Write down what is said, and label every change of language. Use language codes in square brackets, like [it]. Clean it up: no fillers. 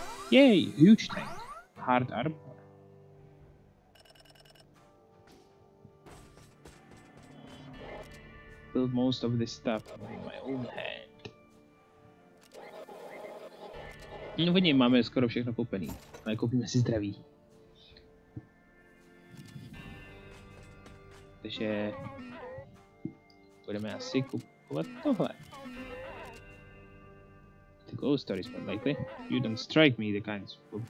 [en] Yay! Huge tank! Hard armor. Built most of this stuff with my own hand. [cs] No v něj máme skoro všechno koupený. Ale koupíme si zdraví. Takže budeme asi kupovat tohle. [en] The ghost story is more likely. You don't strike me the kind of...